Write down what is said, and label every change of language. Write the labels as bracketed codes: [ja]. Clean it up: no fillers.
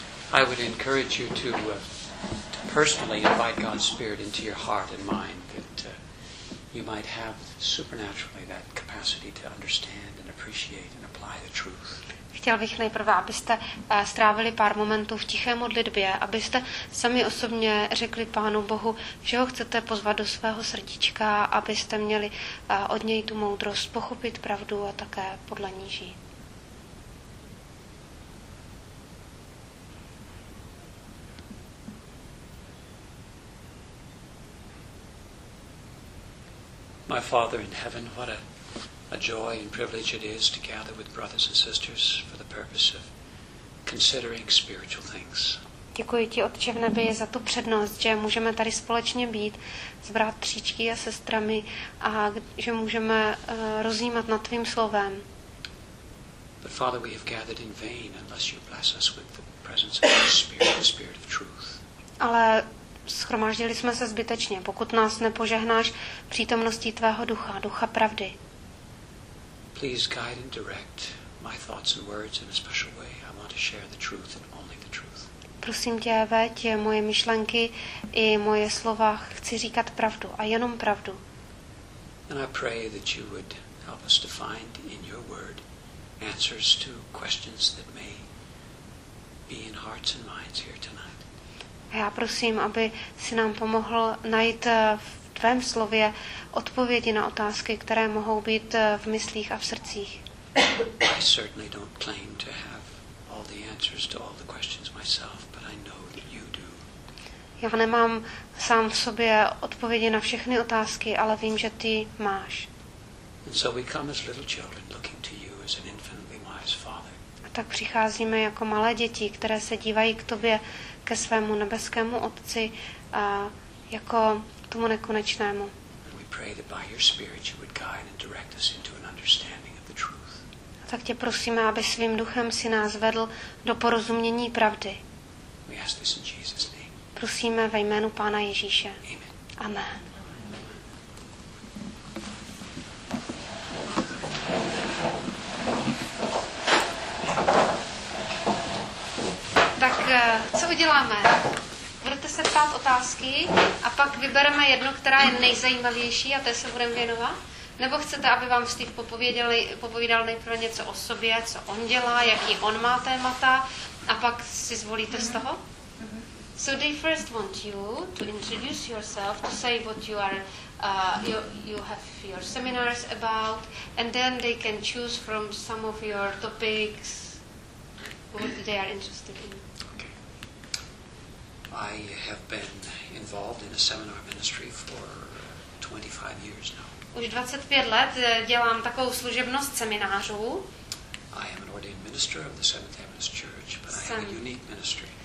[en] I would encourage you to personally invite God's Spirit into your heart and mind, that you might have supernaturally that capacity to understand and appreciate and apply the truth. [cs] Chtěl bych nejprve, abyste strávili pár momentů v tiché modlitbě, abyste sami osobně řekli Pánu Bohu, že ho chcete pozvat do svého srdíčka, abyste měli od něj tu moudrost pochopit pravdu a také podle ní žít. [en] My Father in heaven, what a joy and privilege it is to gather with brothers and sisters for the purpose of considering spiritual things. [cs] Děkuji ti, Otče v nebi, za tu přednost, že můžeme tady společně být s bratříčky a sestrami a že můžeme rozjímat nad tvým slovem. [en] But Father, we have gathered in vain unless you bless us with the presence of your Spirit, the Spirit of truth. [cs] Ale shromáždili jsme se zbytečně, pokud nás nepožehnáš přítomností tvého ducha, ducha pravdy. [en] Please guide and direct my thoughts and words in a special way. I want to share the truth and only the truth. [cs] Prosím tě, veď moje myšlenky i moje slova. Chci říkat pravdu a jenom pravdu. [en] And I pray that you would help us to find in your word answers to questions that may be in hearts and minds here tonight. [cs] A já prosím, aby si nám pomohl najít v tvém slově odpovědi na otázky, které mohou být v myslích a v srdcích. [en] I certainly don't claim to have all the answers to all the questions myself, but I know that you do. [cs] Já nemám sám v sobě odpovědi na všechny otázky, ale vím, že ty máš. [en] And so we come as little children looking to you as an infinitely wise father. [cs] A tak přicházíme jako malé děti, které se dívají k tobě, ke svému nebeskému Otci, a jako tomu nekonečnému. [en] And we pray that by your Spirit you would guide and direct us into an understanding of the truth. [cs] A tak tě prosíme, aby svým duchem si nás vedl do porozumění pravdy. [en] We ask this in Jesus' name. [cs] Prosíme ve jménu Pána Ježíše. [en] Amen. [cs] Amen. Tak co uděláme? Budete se ptát otázky a pak vybereme jednu, která je nejzajímavější a té se budeme věnovat? Nebo chcete, aby vám Steve popovídal nejprve něco o sobě, co on dělá, jaký on má témata a pak si zvolíte z toho? [en] So they first want you to introduce yourself, to say what you are, you have your seminars about, and then they can choose from some of your topics what they are interested in. I have been involved in a seminar ministry for 25 years now. [cs] Už 25 let dělám takovou služebnost seminářů. [en] I am an ordained minister of the Seventh-day Adventist Church, but I have a unique ministry.